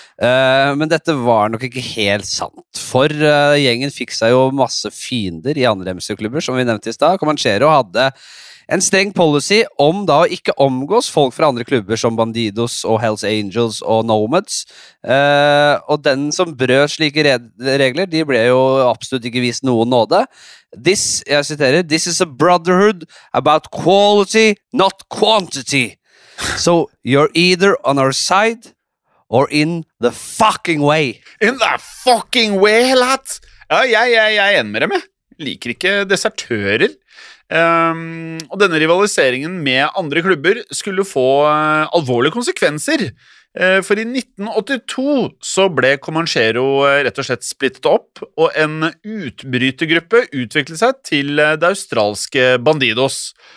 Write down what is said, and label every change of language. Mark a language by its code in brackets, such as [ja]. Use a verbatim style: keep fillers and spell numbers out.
[no] Uh, men dette var nok ikke helt sant, for uh, gjengen fikk seg jo masse fiender i andre M C-klubber, som vi nevnte i stad. Comanchero hadde en streng policy om da å ikke omgås folk fra andre klubber som Bandidos og Hells Angels og Nomads. Eh, og den som brød slike regler, de ble jo absolutt ikke vist noen nåde. [en] This, [no] jeg siterer, [en] this is a brotherhood about quality, not quantity. So you're either on our side or in the fucking way. In the fucking way, lads! [no] Ja, jeg, jeg, jeg er enig med dem, jeg. Liker ikke desertører. Um, og denne rivaliseringen med andre klubber skulle få uh, alvorlige konsekvenser. Uh, for i nitten åttito så ble Comanchero uh, rett og slett splittet opp, og en utbrytergruppe utviklet seg til uh, det australske Bandidos.